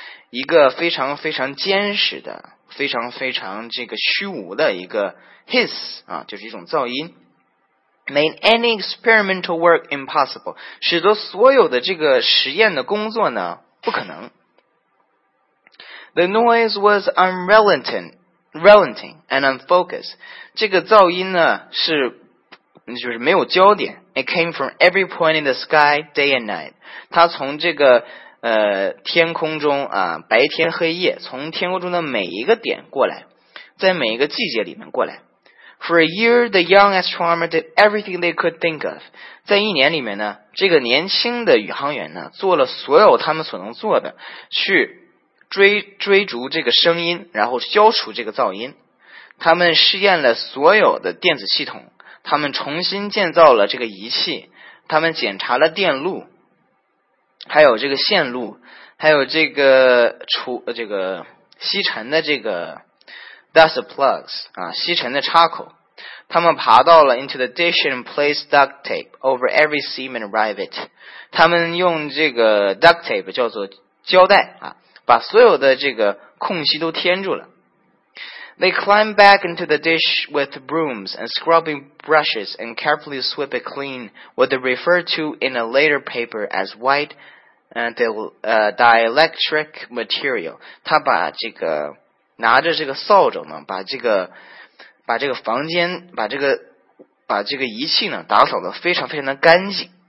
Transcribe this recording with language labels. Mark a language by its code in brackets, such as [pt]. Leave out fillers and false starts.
[zh] 一个非常非常坚实的非常非常这个虚无的一个 hiss, 啊就是一种噪音。 [en] Made any experimental work impossible. [zh] 使得所有的这个实验的工作呢不可能。 [en] The noise was unrelenting and unfocused. [zh] 这个噪音呢是就是没有焦点。 [en] It came from every point in the sky, day and night. [zh] 它从这个天空中啊白天黑夜从天空中的每一个点过来在每一个季节里面过来。 [en] For a year, the young astronomer did everything they could think of. [zh] 在一年里面呢这个年轻的宇航员呢做了所有他们所能做的去追逐这个声音然后消除这个噪音他们试验了所有的电子系统他们重新建造了这个仪器他们检查了电路还有这个线路还有这个吸尘的这个 dust plugs 啊，吸尘的插口他们爬到了 [en] into the dish and placed duct tape over every seam and rivet [zh] 他们用这个 duct tape 叫做胶带啊把所有的这个空隙都填住了。 [en] They climb back into the dish with brooms and scrubbing brushes and carefully sweep it clean, what they refer to in a later paper as white and dielectric material. [zh] 他把这个拿着这个扫帚呢，把这个房间，把这个仪器呢打扫得非常非常的干净。